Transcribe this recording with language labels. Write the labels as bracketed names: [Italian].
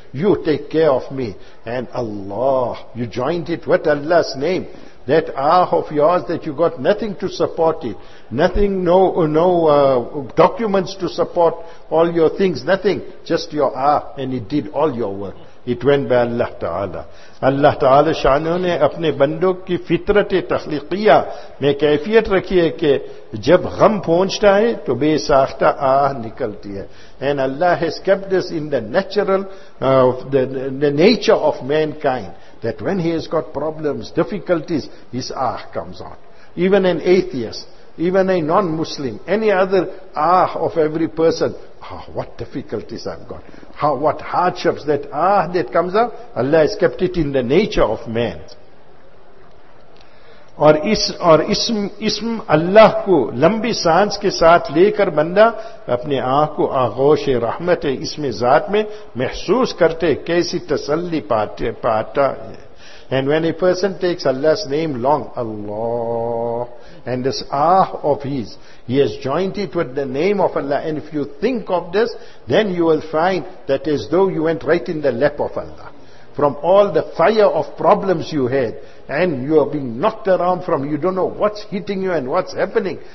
[English] You take care of me. And Allah, you joined it with Allah's name. That Ah of yours that you got nothing to support it. Nothing, no documents to support all your things, nothing. Just your Ah, and it did all your work. It went by Allah Ta'ala. [Urdu] Allah Ta'ala شانہ نے اپنے بندوں کی فطرت تخلیقیہ میں کیفیت رکھی ہے کہ جب غم پہنچتا ہے تو بے ساختہ آہ نکلتی ہے. [English] And Allah has kept this in the natural, the nature of mankind. That when he has got problems, difficulties, his Ah comes out. Even an atheist, even a non-Muslim, any other Ah of every person, Ah, what difficulties I've got. How, what hardships, that Ah that comes up, Allah has kept it in the nature of man. [Urdu] اور اسم اللہ کو لمبی سانس کے ساتھ لے کر بندہ اپنے آنکھ کو آغوش رحمت اسم ذات میں محسوس کرتے کیسی تسلی پاتا ہے. [English] And when a person takes Allah's name long, Allah, and this ah of his, he has joined it with the name of Allah. And if you think of this, then you will find that as though you went right in the lap of Allah. From all the fire of problems you had, and you are being knocked around from, you don't know what's hitting you and what's happening.